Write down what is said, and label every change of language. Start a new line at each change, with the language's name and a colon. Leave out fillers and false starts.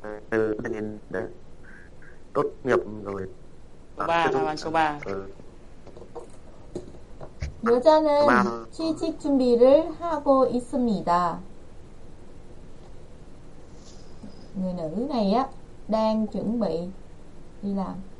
Vietnamese: Từ nhìn để tốt nghiệp rồi. Số 3.
Korean: 여자는 취직 준비를 하고 있습니다.
Vietnamese: Người nữ này á đang chuẩn bị đi làm.